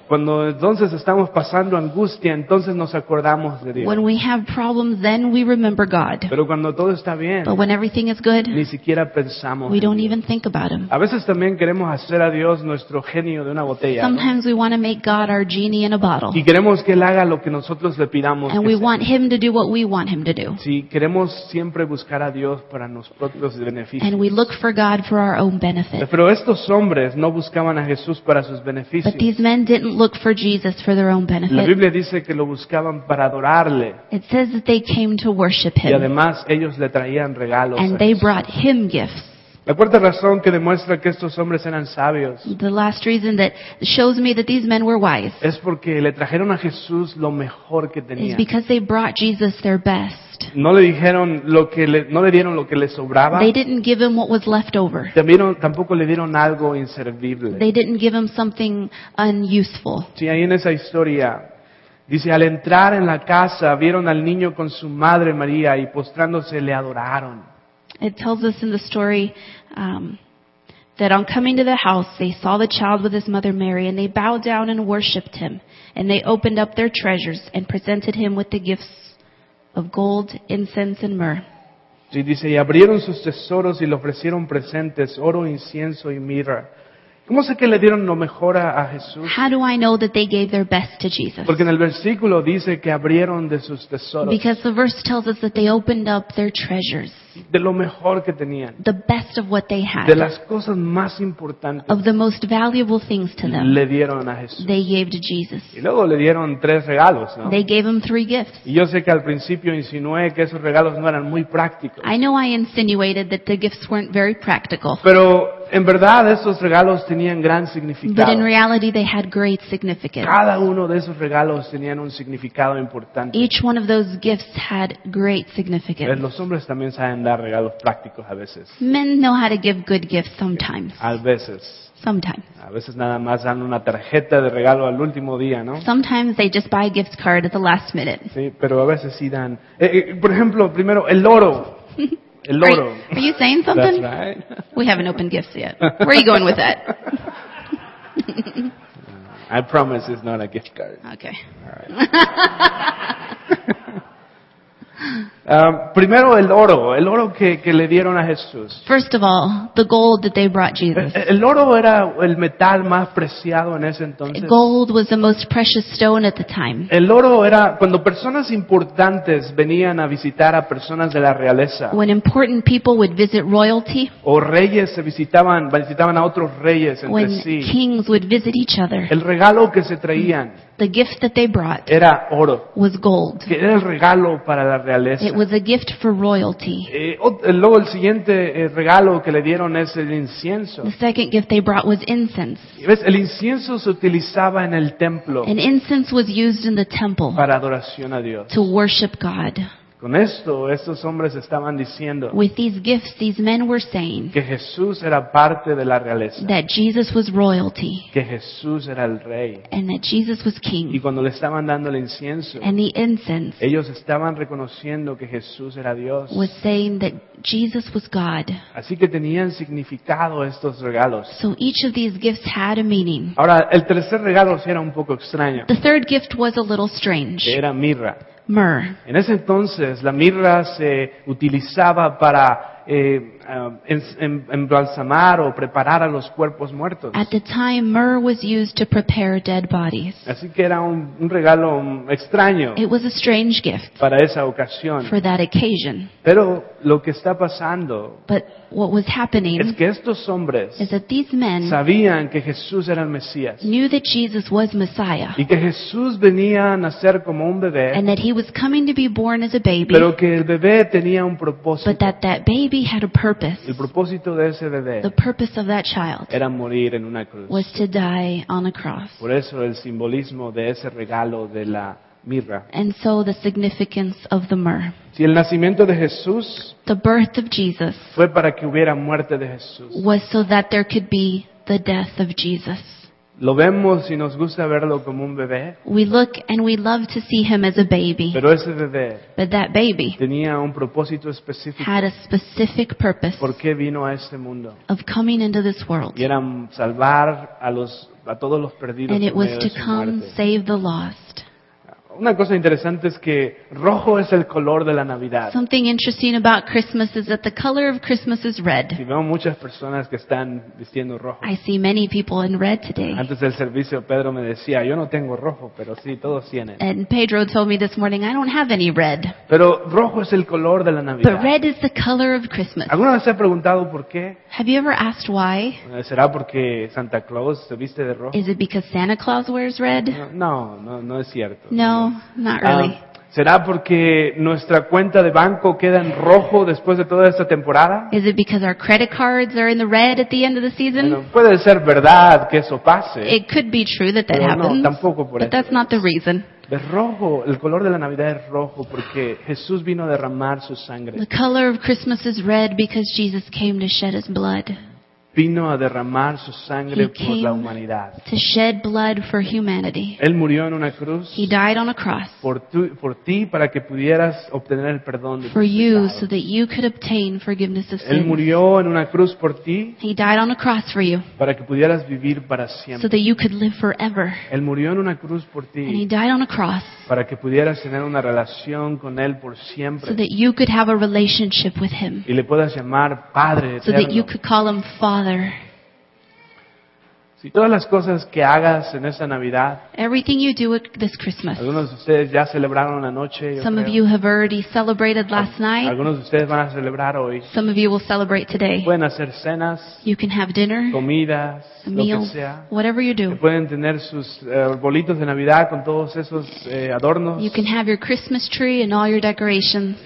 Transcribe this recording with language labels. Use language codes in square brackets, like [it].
[es] Cuando entonces estamos pasando angustia, entonces nos acordamos de Dios. [en] When we have problems, then we remember God. [es] Pero cuando todo está bien, [en] but when everything is good, [es] ni siquiera pensamos. [en] We don't even think about him. [es] A veces también queremos hacer a Dios nuestro genio de una botella. [en] Sometimes we want to make God our genie in a bottle. [es] Y queremos que él haga lo que nosotros le pidamos. [en] And we want him to do what we want him to do. [es] Sí, queremos siempre buscar a Dios para nuestros propios beneficios. [en] And we look for God for our own benefit. [es] Pero estos hombres no buscaban a Jesús para sus beneficios. [en] But these men didn't look for Jesus for their own benefit. [es] La Biblia dice que lo buscaban para adorarle. [en] It says that they came to worship him. [es] Y además ellos le traían regalos. [en] And they brought him gifts. [es] La cuarta razón que demuestra que estos hombres eran sabios. [en] The last reason that shows me that these men were wise. [es] Es porque le trajeron a Jesús lo mejor que tenían. [en] Is because they brought Jesus their best. [es] No le dijeron lo que no le dieron lo que le sobraba. [en] They didn't give him what was left over. [es] Tampoco le dieron algo inservible. [en] They didn't give him something unuseful. [es] Sí, ahí en esa historia. Dice, al entrar en la casa, vieron al niño con su madre María y postrándose le adoraron. [en] It tells us in the story that on coming to the house, they saw the child with his mother Mary and they bowed down and worshipped him. And they opened up their treasures and presented him with the gifts of gold, incense, and myrrh. [es] Sí, dice, y abrieron sus tesoros y le ofrecieron presentes, oro, incienso y mirra. ¿Cómo sé que le dieron lo mejor a Jesús? [en] How do I know that they gave their best to Jesus? [es] Porque en el versículo dice que abrieron de sus tesoros. [en] Because the verse tells us that they opened up their treasures. [es] De lo mejor que tenían. [en] The best of what they had. [es] De las cosas más importantes. [en] Of the most valuable things to them. [es] Le dieron a Jesús. [en] They gave to Jesus. [es] Y luego le dieron tres regalos, ¿no? [en] They gave him three gifts. [es] Y yo sé que al principio insinué que esos regalos no eran muy prácticos. [en] I know I insinuated that the gifts weren't very practical. [es] Pero en verdad esos regalos tenían gran significado. [en] But in reality they had great significance. [es] Cada uno de esos regalos tenían un significado importante. [en] Each one of those gifts had great significance. [es] Los hombres también saben dar regalos prácticos a veces. [en] Men know how to give good gifts sometimes. [es] A veces. [en] Sometimes. [es] A veces nada más dan una tarjeta de regalo al último día, ¿no? [en] Sometimes they just buy a gift card at the last minute. [es] Sí, pero a veces sí dan. Por ejemplo, primero el oro. El oro. [en] Are you saying something? That's right. We haven't opened gifts yet. Where are you going with that? I promise it's not a gift card. Okay. All right. [es] primero el oro que le dieron a Jesús. [en] First of all, the gold that they brought Jesus. [es] El oro era el metal más preciado en ese entonces. [en] Gold was the most precious stone at the time. [es] El oro era cuando personas importantes venían a visitar a personas de la realeza. [en] When important people would visit royalty. [es] O reyes se visitaban a otros reyes entre [en] when [es] sí. [en] When kings would visit each other. [es] El regalo que se traían. [en] The gift that they brought [es] era oro, [en] was gold. [es] Que era el regalo para la realeza. [en] It was a gift for royalty. [es] Luego el siguiente regalo que le dieron es el incienso. [en] The second gift they brought was incense. [es] ¿Ves? El incienso se utilizaba en el templo. [en] And incense was used in the temple [es] para adoración a Dios. [en] To worship God. [es] Con esto, estos hombres estaban diciendo [en] with these gifts, these men were saying [es] que Jesús era parte de la realeza. [en] That Jesus was royalty. [es] Que Jesús era el rey. [en] And that Jesus was king. [es] Y cuando le estaban dando el incienso [en] and the incense, [es] ellos estaban reconociendo que Jesús era Dios. [en] Was saying that Jesus was God. [es] Así que tenían significado estos regalos. [en] So each of these gifts had a meaning. [es] Ahora, el tercer regalo sí era un poco extraño. [en] The third gift was a little strange. [es] Era mirra. [en] Myrrh. [es] En ese entonces, la mirra se utilizaba para embalsamar o preparar a los cuerpos muertos. [en] At the time, myrrh was used to prepare dead bodies. [es] Así que era un regalo extraño. [en] It was a strange gift. [es] Para esa ocasión. [en] For that occasion. [es] Pero lo que está pasando. [en] But what was happening. [es] Es que estos hombres. [en] Is that these men. [es] Sabían que Jesús era el Mesías. [en] Knew that Jesus was Messiah. [es] Y que Jesús venía a nacer como un bebé. [en] And that he was coming to be born as a baby. [es] Pero que el bebé tenía un propósito. [en] But that baby had a purpose. [es] El propósito de ese bebé. [en] The purpose of that child. [es] Era morir en una cruz. [en] Was to die on a cross. [es] Por eso el simbolismo de ese regalo de la mirra. [en] And so the significance of the myrrh. [es] Si el nacimiento de Jesús, [en] the birth of Jesus, [es] fue para que hubiera muerte de Jesús, [en] was so that there could be the death of Jesus. [es] Lo vemos y nos gusta verlo como un bebé. [en] We look and we love to see him as a baby. [es] Pero ese bebé, [en] but that baby, [es] tenía un propósito específico, [en] had a specific purpose. [es] ¿Por qué vino a este mundo? [en] Of coming into this world. [es] Y era salvar a todos los perdidos. [en] And it was to come save the lost. [es] Una cosa interesante es que rojo es el color de la Navidad. [en] Something interesting about Christmas is that the color of Christmas is red. [es] Y veo muchas personas que están vistiendo rojo. [en] I see many people in red today. [es] Antes del servicio Pedro me decía, yo no tengo rojo, pero sí todos tienen. [en] And Pedro told me this morning, I don't have any red. [es] Pero rojo es el color de la Navidad. [en] But red is the color of Christmas. [es] ¿Alguna vez se ha preguntado por qué? [en] Have you ever asked why? [es] ¿Será porque Santa Claus se viste de rojo? [en] Is it because Santa Claus wears red? [es] No, es cierto. [en] No. Not really. [es] ¿Será porque nuestra cuenta de banco queda en rojo después de toda esta temporada? [en] Is it because our credit cards are in the red at the end of the season? [es] Bueno, puede ser verdad que eso pase. [en] It could be true that that happens. [es] No, tampoco por eso. [en] But that's not the reason. [es] Es rojo, el color de la Navidad es rojo porque Jesús vino a derramar su sangre. [en] The color of Christmas is red because Jesus came to shed his blood. [es] Vino a derramar su sangre por la humanidad. [en] To shed blood for humanity. [es] Él murió en una cruz. [en] He died on a cross. [es] Por ti para que pudieras obtener el perdón de tus pecados. [en] For you so that you could obtain forgiveness of sins. [es] Él murió en una cruz por ti. [en] He died on a cross for you. [es] Para que pudieras vivir para siempre. [en] So that you could live forever. [es] Él murió en una cruz por ti. [en] And he died on a cross. [es] Para que pudieras tener una relación con él por siempre. [en] So that you could have a relationship with him. [es] Y le puedas llamar Padre eterno. [en] So that you could call him Father. [es] Si todas las cosas que hagas en esa Navidad, [en] everything you do at this Christmas, [es] algunos de ustedes ya celebraron anoche, [en] some of you have already celebrated last night, [es] algunos de ustedes van a celebrar hoy, [en] some of you will celebrate today, [es] pueden hacer cenas, [en] you can have dinner, [es] comidas, [en] meals, [es] lo que sea, [en] whatever you do, [es] pueden tener sus arbolitos de Navidad con todos esos adornos, [en] you can have your Christmas tree and all your decorations,